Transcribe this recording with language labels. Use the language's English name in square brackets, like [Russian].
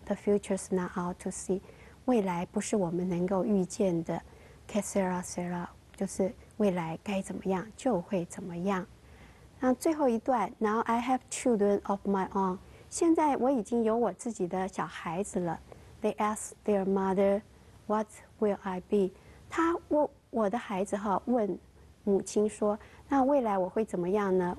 [English] The future's not all to see. [Chinese] 未来不是我们能够预见的。 [Spanish] Que sera, sera. [Chinese] 就是未来该怎么样就会怎么样。那最后一段 [English] Now I have children of my own. [Chinese] 现在我已经有我自己的小孩子了。 [English] They ask their mother, what will I be? [Chinese] 他问我的孩子哈，问母亲说，那未来我会怎么样呢？